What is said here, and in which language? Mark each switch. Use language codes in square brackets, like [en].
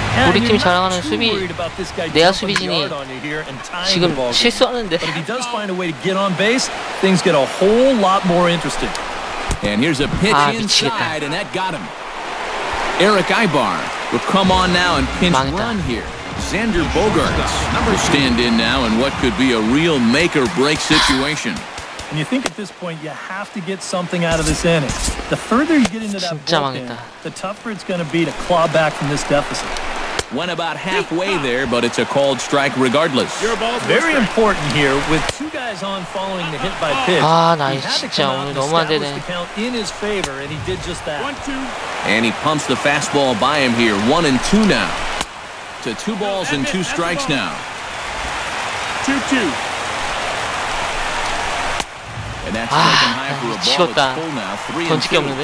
[ko] 우리 팀 자랑하는 수비 내야 수비진이 지금 실수하는데. [en] Things get a whole lot more interesting. And here's a pitch inside and that got him. Eric Ibar will come on now and pinch run here. Xander Bogaerts will stand in now in what could be a real make or break situation. And you think at this point you have to get something out of this inning. The further you get into that bullpen, the tougher it's going to be to claw back from this deficit. Went about halfway there, but it's a called strike regardless. Very important here with two guys on following the hit by pitch. [ko] 아, 나 진짜 오늘 너무 안 되네. [en] In his favor, and he did just that. And he pumps the fastball by him here. One and two now. To two balls and two strikes now. 2-2. And that's taken high for a ball. It's full now.